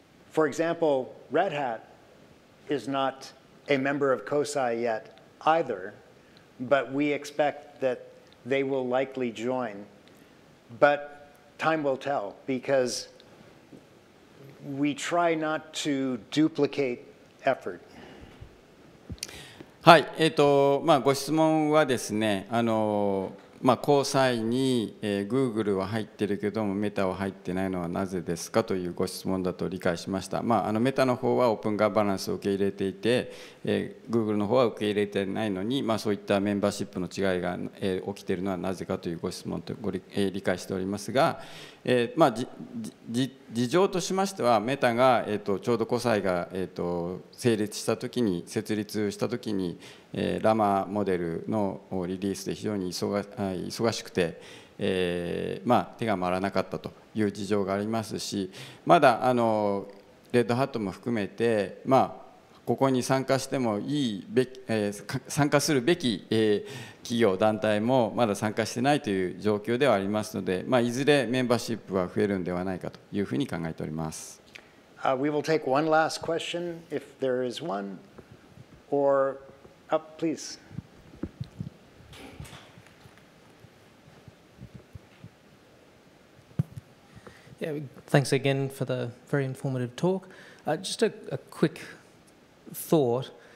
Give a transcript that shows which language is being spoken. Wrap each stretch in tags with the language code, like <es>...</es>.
<en>For example, Red Hat is not a member of COSI yet either, but we expect that they will likely join. But time will tell, because we try not to duplicate effort.</en> <ja>はい、まあ、ご質問はですね、あの、まあ、COSIに、Google は入ってるけども、メタは入ってないのはなぜですかというご質問だと理解しました。まあ、あのメタの方はオープンガバナンスを受け入れていて、Google の方は受け入れてないのに、まあ、そういったメンバーシップの違いが、起きているのはなぜかというご質問とご理解しておりますが、まあ、事情としましては、メタが、ちょうど COSIが、成立したときに、設立したときに、ラマモデルのリリースで非常に忙しくて、まあ、手が回らなかったという事情がありますし、まだあのレッドハットも含めて、まあ、ここに参加してもいいべき、参加するべき、企業団体もまだ参加してないという状況ではありますので、まあ、いずれメンバーシップは増えるのではないかというふうに考えております。</ja> <en>We will take one last question if there is one. Or, up, please. Yeah, thanks again for the very informative talk. Just a quick thought.</en>